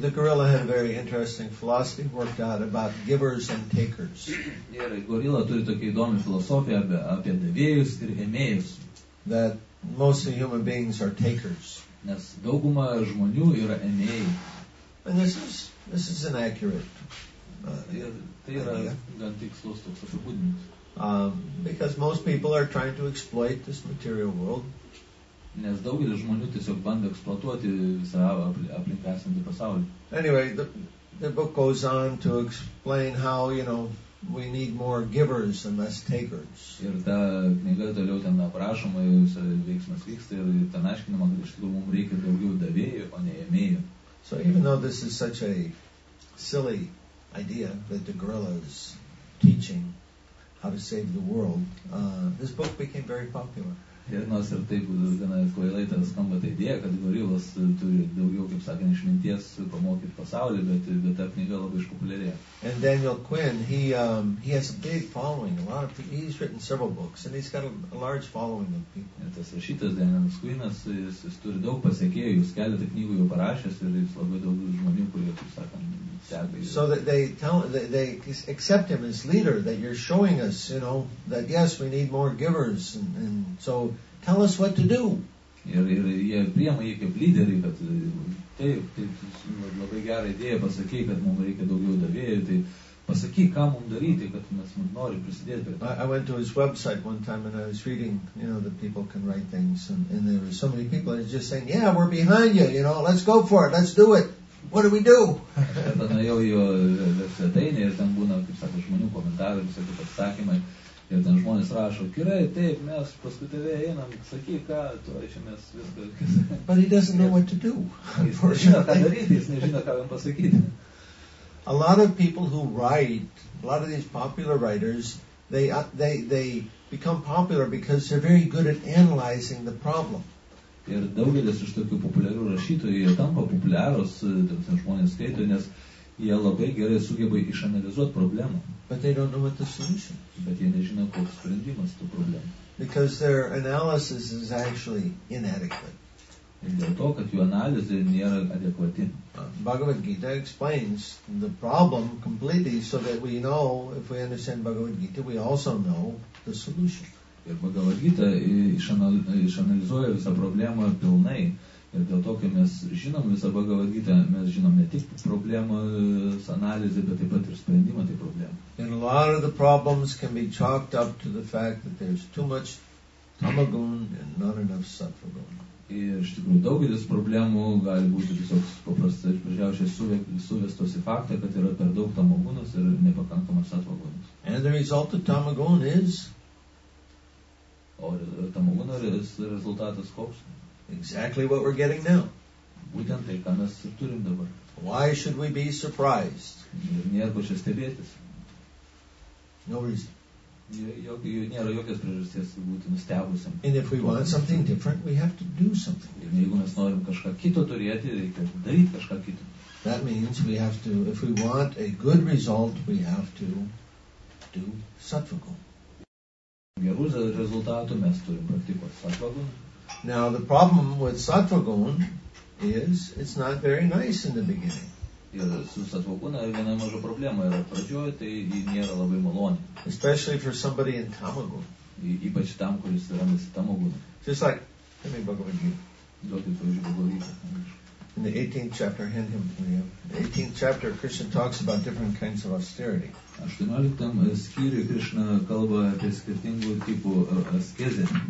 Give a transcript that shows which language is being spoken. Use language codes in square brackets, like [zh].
[en] The gorilla had a very interesting philosophy worked out about givers and takers. [lt] Ir gorila turi tokį įdomią filosofiją apie davėjus ir ėmėjus. [en] That most of human beings are takers. [lt] Nes dauguma žmonių yra ėmėjai. [en] And this is an accurate because most people are trying to exploit this material world. [lt] Nes daugelis žmonių tiesiog bando eksploatuoti savo aplink esantį pasaulį. [en] Anyway, the book goes on to explain how, you know, we need more givers and less takers. [lt] Ir ta knyga toliau ten aprašoma, veiksmas vyksta ir ten aiškinama, kad iš tikrųjų mums reikia daugiau davėjų, o ne ėmėjų. [en] So even though this is such a silly idea that the gorilla is teaching how to save the world, this book became very popular. [lt] Ir nors ir taip gana kvailai tas skamba ta idėja, kad gorilas turi daugiau, kaip sakant, išminties pamokyti pasaulį, bet ta knyga labai išpopuliarėjo. [en] And Daniel Quinn, he has a big following, a lot of people. He's written several books and he's got a large following of people. [lt] Tas rašytas Danielas Quinnas, jis turi daug pasiekėjų, jis keletą knygų jau parašęs ir jis labai daug žmonių, kurie, kaip sakant, [en] so that they accept him as leader, that you're showing us, you know, that yes, we need more givers, and so tell us what to do. [lt] Ir jie priema jį kaip lyderį, kad taip, labai gerą idėją pasakė, kad mums reikia daugiau davėjų, tai pasakė, ką mums daryti, kad mes nori prisidėti. [en] I went to his website one time and I was reading, you know, that people can write things, and there were so many people, and he's just saying, yeah, we're behind you, you know, let's go for it, let's do it. What do we do? [lt] Aš ten nuėjau jo svetainę ir ten būna, kaip sako, žmonių komentarai, visokie pasakymai. Ir ten žmonės rašo, gerai, taip, mes paskui tave einam, sakyk, ką, tu aišėmės viską. [en] But he doesn't know what to do. [lt] Jis nežino, ką daryti, jis nežino, ką jam pasakyti. [en] A lot of people who write, a lot of these popular writers, they become popular because they're very good at analyzing the problem. [lt] Ir daugelis iš tokių populiarių rašytojų jie tampa populiarus, tam žmonės skaito, nes jie labai gerai sugeba išanalizuoti problemą. [en] But they don't know what the solution. [lt] Bet jie nežino, koks sprendimas tų problemų. [en] Because their analysis is actually inadequate. [lt] Ir dėl to, kad jų analizė nėra adekvati. [en] Bhagavad Gita explains the problem completely so that we know, if we understand Bhagavad Gita, we also know the solution. [lt] Ir Bhagavad Gita išanalizuoja visą problemą pilnai. Ir dėl to, kai mes žinom visą Bhagavad Gita, mes žinom ne tik problemos analizę, bet taip pat ir sprendimą tai problemą. [en] And a lot of the problems can be chalked up to the fact that there's too much tamagun and not enough sattvagun. [lt] Ir iš tikrųjų daugelis problemų gali būti tiesiog paprastai pradžiausiai suvestos į faktą, kad yra per daug tamagunas ir nepakankamas sattvagunas. [en] And the result of tamagun is... [lt] O tamagūno rezultatas koks? [en] Exactly what we're getting now. [lt] Būtent tai, ką mes turim dabar. [en] Why should we be surprised? [lt] Nėra ko čia stebėtis. [en] No reason. [lt] Nėra jokios priežasties būti nustebusiam. [en] And if we want something different, we have to do something. [lt] Ir jeigu mes norim kažką kito turėti, reikia daryti kažką kito. [en] That means we have to, if we want a good result, we have to do sattvagun. [lt] Gerų rezultatų mes turim praktikuoti sattvagun. [en] Now the problem with sattvagun is it's not very nice in the beginning. [lt] Ir su sattvaguna viena maža problema yra pradžioje, tai ji nėra labai maloni. [en] Especially for somebody in tamagun. [lt] Ypač tam, kuris randasi tamagun. [en] Just like, let me Bhagavad Gita. [lt] Duokit pavyzdžiui Bhagavad Gita. [en] In the 18th chapter, hand him to me. The 18th chapter, Krishna talks about different kinds of austerity. [lt] Aštuonioliktam skyriui Krishna kalba apie skirtingų tipų askezę.